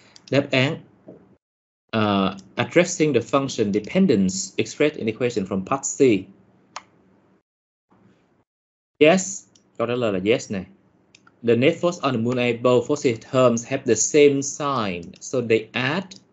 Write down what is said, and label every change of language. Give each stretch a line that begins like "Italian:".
Vietnamese: Đáp án
English: addressing the function dependence expressed in the equation from part C. Yes,
Vietnamese: câu trả lời là yes này.
English: The net force on the moon A, both forces terms have the same sign, so they add.